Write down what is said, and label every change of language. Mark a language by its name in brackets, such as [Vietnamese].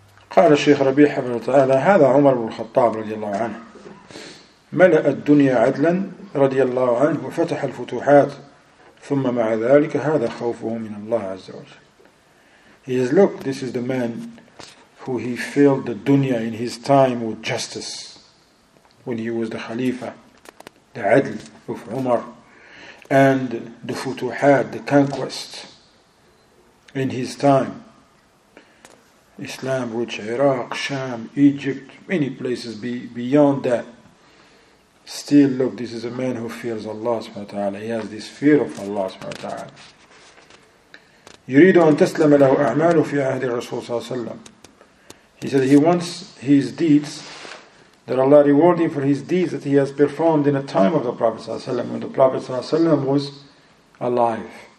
[Arabic] قال الشيخ ربيع حفظه تعالى هذا عمر بن الخطاب رضي الله عنه ملأ الدنيا عدلا رضي الله عنه وفتح الفتوحات ثم مع ذلك هذا خوفه من الله عز وجل. [English] He says, "Look, this is the man who he filled the dunya in his time with justice when he was the Khalifa, the Adl of Umar, and the Futuhat, the conquest in his time. Islam reached Iraq, Sham, Egypt, many places beyond that. Still, look, this is a man who fears Allah subhanahu wa ta'ala. He has this fear of Allah subhanahu wa ta'ala. [Arabic] يريد أن تسلم له أعماله في عهد الرسول صلى الله عليه وسلم." [English] He said he wants his deeds, that Allah reward him for his deeds that he has performed in the time of the Prophet ﷺ, when the Prophet ﷺ was alive.